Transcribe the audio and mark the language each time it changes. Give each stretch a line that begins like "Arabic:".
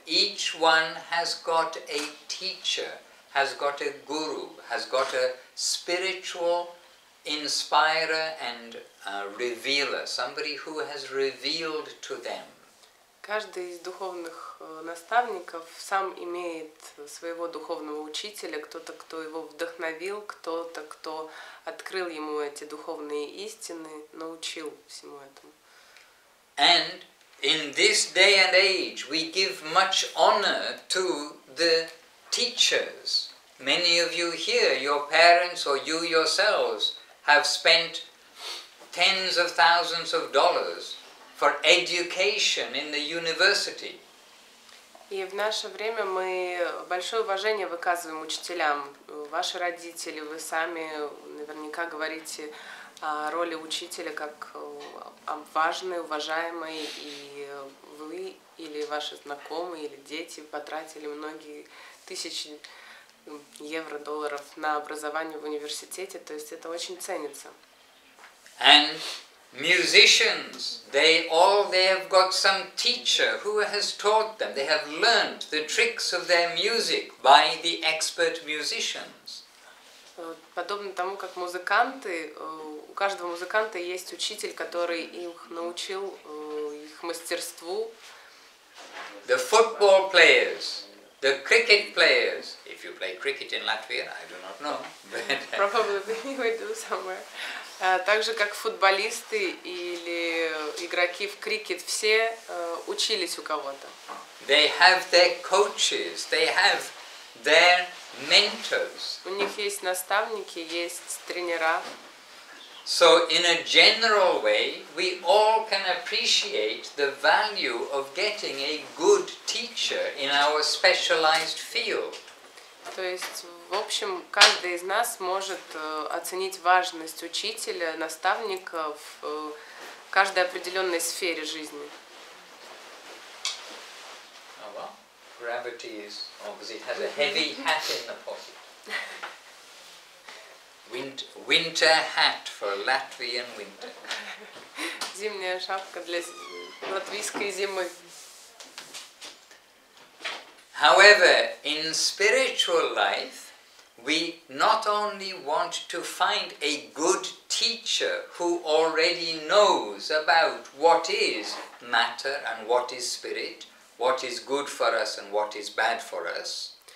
English: Each one has got a teacher, has got a guru, has got a spiritual inspirer and revealer, somebody who has revealed to them.
Russian: Каждый из духовных наставников сам имеет своего духовного учителя, кто-то, кто его вдохновил, кто-то, кто открыл ему эти духовные истины, научил всему этому.
English: And in this day and age we give much honor to the teachers. Many of you here, your parents or you yourselves, have spent tens of thousands of dollars for education in the university.
Russian: И в наше время мы большое уважение выказываем учителям. Ваши родители, вы сами наверняка говорите о роли учителя как о важной, уважаемой, и вы или ваши знакомые или дети потратили многие тысячи евро, долларов на образование в университете, то есть это очень ценится.
English: And musicians, they all, they have got some teacher who has taught them. They have learned the tricks of their music by the expert musicians.
Russian: Подобно тому, как музыканты, у каждого музыканта есть учитель, который их научил их мастерству.
English: The football players, the cricket players, if you play cricket in Latvia, I do not know. Probably we do somewhere.
Russian: Так же, как футболисты или игроки в крикет, все учились у кого-то.
English: They have their coaches, they have their mentors.
Russian: У них есть наставники, есть тренера.
English: So in a general way, we all can appreciate the value of getting a good teacher in our specialized field.
Russian: То есть, в общем, каждый из нас может оценить важность учителя, наставника в каждой определенной сфере жизни.
English: Oh, well, gravity is obviously has a heavy hat in the pocket. Winter hat for Latvian winter.
Russian: Зимняя шапка для латвийской зимы.
English: However, in spiritual life, we not only want to find a good teacher who already knows about what is matter and what is spirit, what is good for us and what is bad for us.